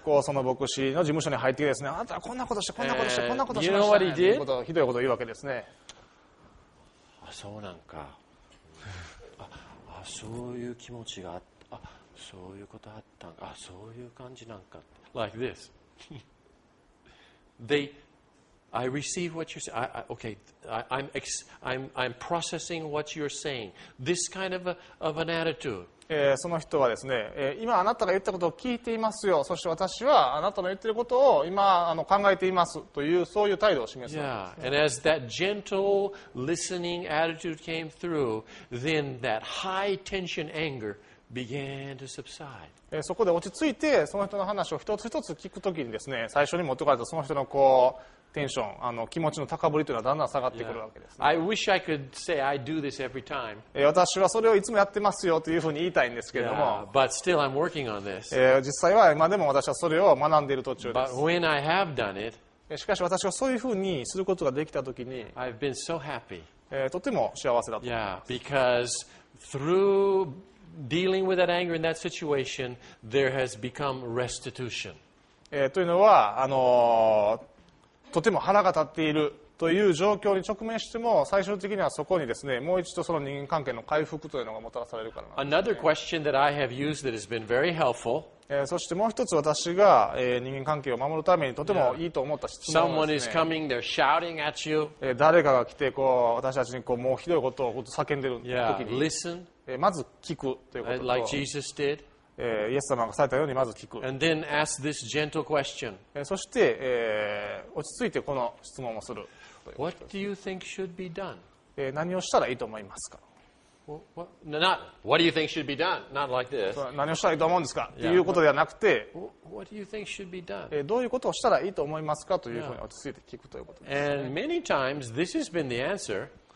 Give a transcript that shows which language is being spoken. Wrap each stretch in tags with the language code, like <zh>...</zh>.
<ja>こうその牧師の事務所に入ってきてですね、あなたはこんなことして、こんなことして、こんなことしました</ja> <en>、ね。You know what he did?</en> <ja>ということひどいことを言うわけですね。あ、そうなんか。あ、そういう気持ちがあった。あ、そういうことあったんか。あ、そういう感じなんか。</ja> <en>Like this. They... I receive what you're saying. Okay, I'm processing what you're saying. This kind of an attitude.</en> <ja>その人はですね、今あなたが言ったことを聞いていますよ。そして私はあなたの言ってることを今考えていますというそういう態度を示すんです。</ja> <en>Yeah, and as that gentle listening attitude came through, then that high tension anger began to subside.</en> <ja>そこで落ち着いてその人の話を一つ一つ聞くときにですね、最初に持ってこられたその人のこうテンション、気持ちの高ぶりというのはだんだん下がってくるわけです、ね。</ja> <en>I wish I could say I do this every time.</en> <ja>私はそれをいつもやってますよというふうに言いたいんですけれども。</ja> <en>Yeah, but still I'm working on this.</en> <ja>実際は今でも私はそれを学んでいる途中です。</ja> <en>But when I have done it,</en> <ja>しかし私はそういうふうにすることができたときに、</ja> <en>I've been so happy.</en> <ja>とても幸せだと思います。</ja> <en>Yeah, because through dealing with that anger in that situation, there has become restitution.</en> <ja>というのは、とても腹が立っているという状況に直面しても最終的にはそこにですねもう一度その人間関係の回復というのがもたらされるからなんですね。</ja> <en>Another question that I have used that has been very helpful.</en> <ja>そしてもう一つ私が人間関係を守るためにとてもいいと思った質問ですね。</ja> <en>Someone is coming, they're shouting at you.</en> <ja>誰かが来てこう私たちにこうもうひどいことを叫んでる時に、</ja> <en>yeah. Listen.</en> <ja>まず聞くということと、</ja> <en>like Jesus did.</en> <ja>イエス様がされたようにまず聞く。</ja> <en>And then ask this gentle question.</en> <ja>そして、落ち着いてこの質問をする。</ja> <en>What do you think should be done?</en> <ja>何をしたらいいと思いますか?</ja> <en>What do you think should be done? Not like this.</en> <ja>何をしたらいいと思うんですか?Yeah, ということではなくて、</ja> <en>What do you think should be done?</en> <ja>どういうことをしたらいいと思いますかというふうに落ち着いて聞くということです、ね。</ja> <en>And many times this has been the answer.</en>